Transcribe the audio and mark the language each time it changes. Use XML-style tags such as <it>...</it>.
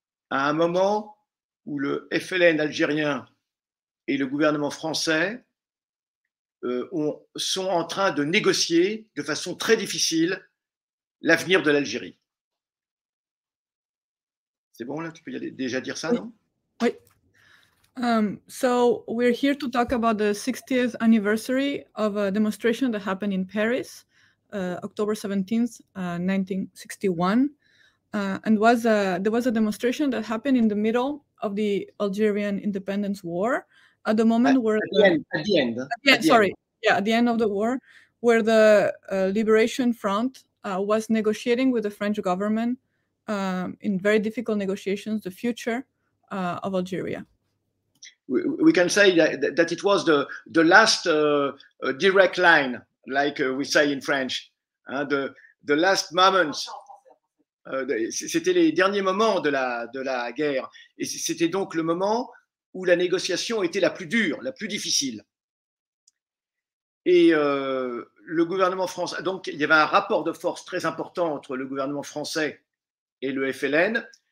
<fr>À un moment où le FLN algérien et le gouvernement français sont en train de négocier de façon très difficile l'avenir de l'Algérie. C'est bon là, tu peux y aller, déjà dire ça, oui. Non? Oui.</fr> <en>So we're here to talk about the 60th anniversary of a demonstration that happened in Paris, October 17th, 1961. There was a demonstration that happened in the middle of the Algerian Independence War, at the moment at the end of the war, where the Liberation Front was negotiating with the French government in very difficult negotiations the future of Algeria. We can say that it was the last direct line, like we say in French, hein, the last moments.</en> <fr>C'était les derniers moments de la guerre, et c'était donc le moment où la négociation était la plus dure, la plus difficile. Et le gouvernement français, donc il y avait un rapport de force très important entre le gouvernement français et le FLN.</fr>